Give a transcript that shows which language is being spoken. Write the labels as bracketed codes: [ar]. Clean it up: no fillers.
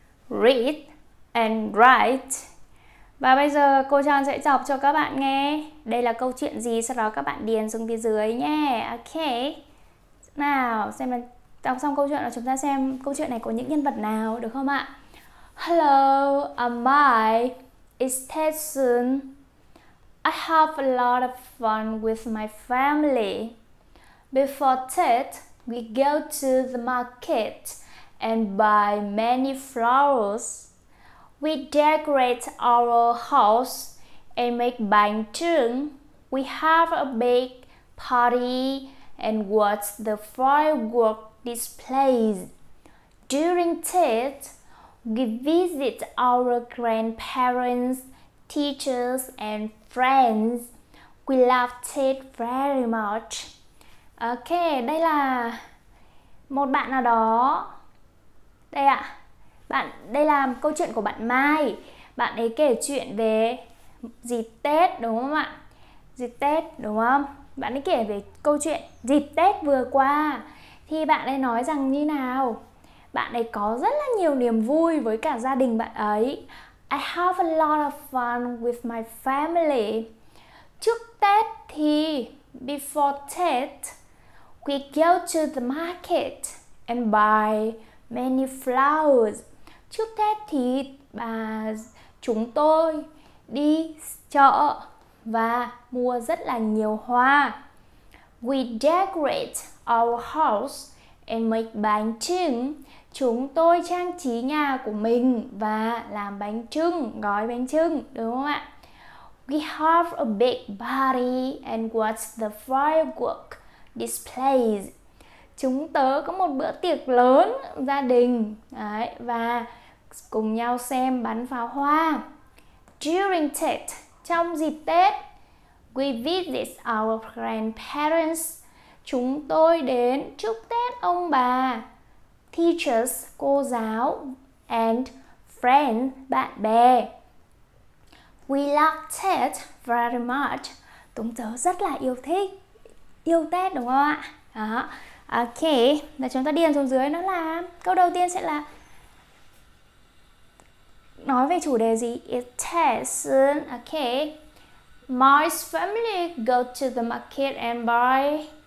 [en] Read and write. [vi] Và bây giờ cô Trang sẽ đọc cho các bạn nghe. Đây là câu chuyện gì, sau đó các bạn điền xuống phía dưới nhé. Ok. Nào, xem là đọc xong câu chuyện là chúng ta xem câu chuyện này có những nhân vật nào, được không ạ? [en] Hello, am I? It's Tet soon. I have a lot of fun with my family. Before Tet, we go to the market and buy many flowers. We decorate our house and make bantun. We have a big party and watch the firework displays. During Tet, we visit our grandparents, teachers, and friends. We love Tet very much. [vi] Ok, đây là một bạn nào đó. Đây ạ. Bạn, đây là câu chuyện của bạn Mai. Bạn ấy kể chuyện về dịp Tết, đúng không ạ? Dịp Tết, đúng không? Bạn ấy kể về câu chuyện dịp Tết vừa qua. Thì bạn ấy nói rằng như nào? Bạn ấy có rất là nhiều niềm vui với cả gia đình bạn ấy. [en] I have a lot of fun with my family. Trước Tết thì, before Tết, we go to the market and buy many flowers. Trước Tết thì [vi] Và chúng tôi đi chợ và mua rất là nhiều hoa. [en] We decorate our house and make bánh trưng. [vi] Chúng tôi trang trí nhà của mình và làm bánh trưng, gói bánh trưng, đúng không ạ? [en] We have a big party and watch the firework displays. [vi] Chúng tớ có một bữa tiệc lớn gia đình đấy, và cùng nhau xem bắn pháo hoa. [en] During Tết, [vi] trong dịp Tết, [en] we visit our grandparents. [vi] Chúng tôi đến chúc Tết ông bà. [en] Teachers, [vi] cô giáo, and friend, bạn bè. [en] We love Tết very much. [vi] Chúng tớ rất là yêu thích, yêu Tết đúng không ạ? Đó. Ok, là chúng ta điền xuống dưới nó là câu đầu tiên sẽ là nói về chủ đề gì? [en] It's Tết. Ok. My family go to the market and buy.